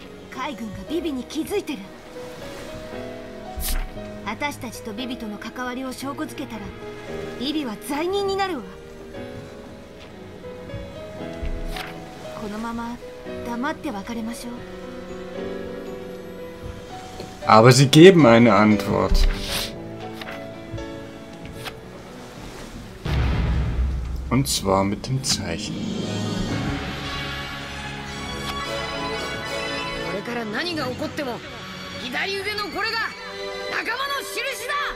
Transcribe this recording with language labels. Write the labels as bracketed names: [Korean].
[Japanese] 海軍がビビに気づいてる。私たちとビビとの関わりを証拠付けたら、ビビは罪人になるわ。このまま黙って別れましょう。 [German] Aber sie geben eine Antwort. Und zwar mit dem Zeichen. [Japanese] これから何が起こっても、左腕のこれが仲間の印だ。